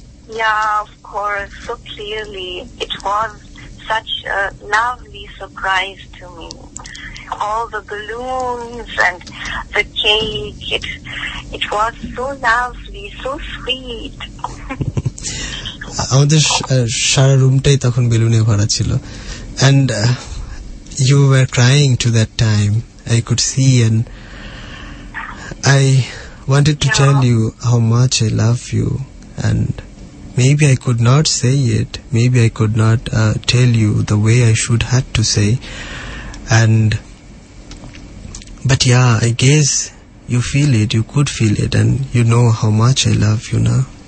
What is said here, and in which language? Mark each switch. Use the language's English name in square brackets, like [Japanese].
[English] Yeah, of course, so clearly it was such a lovely surprise to me. All the balloons and the cake, it was so lovely, so sweet. [Bangla] আমাদের সারা রুমটাই তখন বেলুনে ভরা ছিল and you were crying to that time. [English] I could see and I wanted to tell you how much I love you and maybe I could not say it, maybe I could not tell you the way I should have to say and but yeah, I guess you feel it, you could feel it and you know how much I love you now.